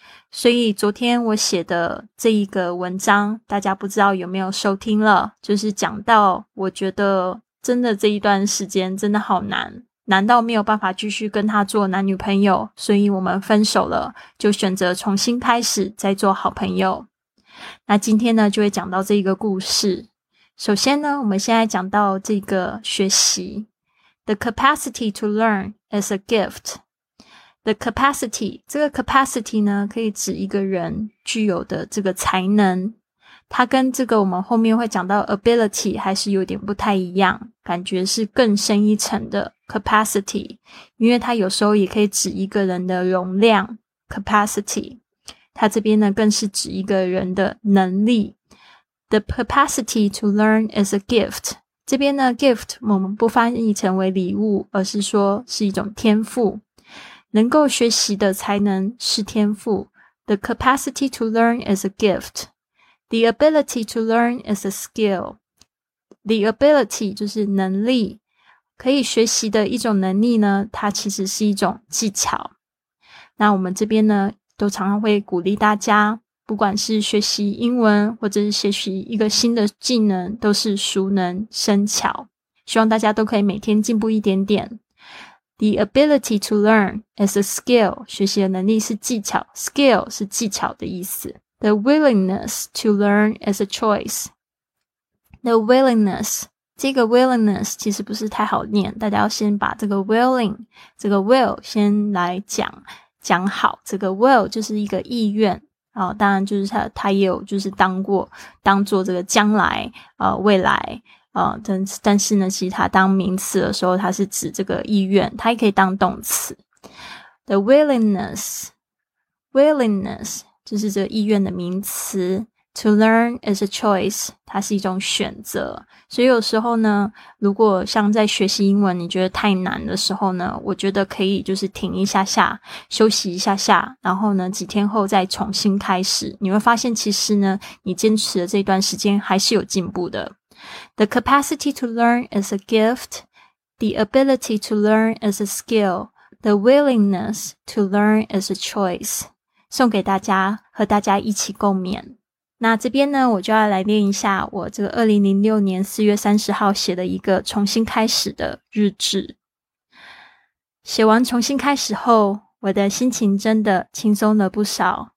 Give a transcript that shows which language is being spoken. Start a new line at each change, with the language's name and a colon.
Chinese: 所以昨天我写的这一个文章，大家不知道有没有收听了，就是讲到我觉得真的这一段时间真的好难，难到没有办法继续跟他做男女朋友，所以我们分手了，就选择重新开始再做好朋友。那今天呢，就会讲到这一个故事。首先呢，我们现在讲到这个学习。
English: The capacity to learn is a gift.
Chinese: The capacity, 这个 capacity 呢，可以指一个人具有的这个才能。它跟这个我们后面会讲到 ability 还是有点不太一样，感觉是更深一层的 capacity， 因为它有时候也可以指一个人的容量 capacity， 它这边呢更是指一个人的能力。
English: The capacity to learn is a gift，
Chinese: 这边呢 gift 我们不翻译成为礼物，而是说是一种天赋。能够学习的才能是天赋，
English: The capacity to learn is a giftThe ability to learn is a skill.
Chinese: The ability 就是能力，可以学习的一种能力呢，它其实是一种技巧。那我们这边呢，都常常会鼓励大家，不管是学习英文，或者是学习一个新的技能，都是熟能生巧。希望大家都可以每天进步一点点。
English: The ability to learn is a skill.
Chinese: 学习的能力是技巧， skill 是技巧的意思。
English: The willingness to learn is a choice.
Chinese: The willingness, 这个 willingness 其实不是太好念，大家要先把这个 willing, 这个 will 先来讲好。这个 will 就是一个意愿，当然就是它也有就是当做这个将来、未来、但是呢，其实它当名词的时候，它是指这个意愿，它也可以当动词。 The willingness,就是这个意愿的名词。
English: To learn is a choice，
Chinese: 它是一种选择。所以有时候呢，如果像在学习英文你觉得太难的时候呢，我觉得可以就是停一下下，休息一下下，然后呢几天后再重新开始，你会发现其实呢你坚持的这段时间还是有进步的。
English: The capacity to learn is a gift. The ability to learn is a skill. The willingness to learn is a choice.
Chinese: 送给大家，和大家一起共勉。那这边呢，我就要来念一下我这个2006年4月30号写的一个重新开始的日志。写完重新开始后，我的心情真的轻松了不少。